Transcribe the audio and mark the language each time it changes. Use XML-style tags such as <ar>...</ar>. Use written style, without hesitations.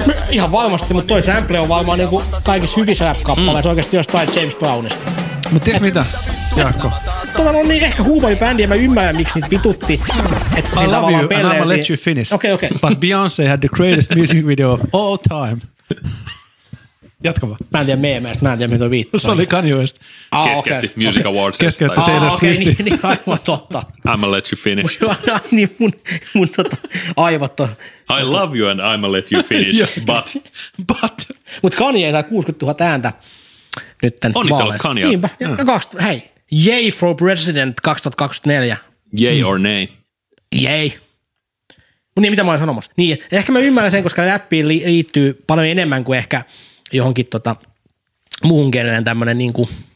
<fi>Ihan varmasti, mutta toi sample on varmaan niinku kaikissa hyvissä rap-kappaleissa oikeasti jostain James Brownista. Mut tiedät mitä, Jaakko? Tota on niin ehkä huumori bändi ja mä ymmärrän miksi niitä vitutti. Että</fi> <en>I love you and I'ma let you finish. Okei, okay, okei. Okay. But Beyoncé had the greatest music video of all time.</en> <fi>Jatka vaan. Mä en tiedä meemeistä, mä en tiedä mitä viittaa. Se oli Kanye West. Ah, keskeytti okay. Music Awards. Keskeytti Taylor Swift. Niin, niin aivan totta.</fi> <en>I'ma let you finish.</en> <fi>Niin mun tota, aivot on.</fi> <en>I love you and I'ma let you finish, but. But.</en> <fi>Mut Kanye sai 60 000 ääntä nytten vaaleissa. Onnittelut Kanye. Niinpä. Hei.</fi> <en>Yay for president 2024. Yay or nay? Yay.</en> <fi>Niin, mitä mä olen sanomassa? Niin, ehkä mä ymmärrän sen, koska rappiin liittyy paljon enemmän kuin ehkä johonkin tota, muun kielen tämmönen niinku...</fi>